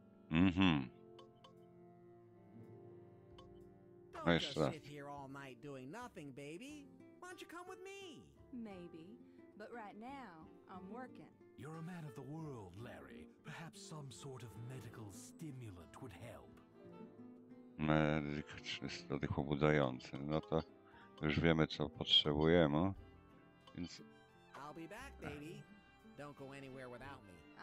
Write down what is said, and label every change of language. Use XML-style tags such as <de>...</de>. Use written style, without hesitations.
<en>Don't just sit here all night doing nothing, baby. Why don't you come with me? Maybe, but right now I'm working. You're a man of the world, Larry. Perhaps some sort of medical stimulant would help.</en> <pl>Medyczny stany pobudzający. No to już wiemy, co potrzebujemy. Więc...</pl> <en>I'll be back, baby. Don't go anywhere without me.</en>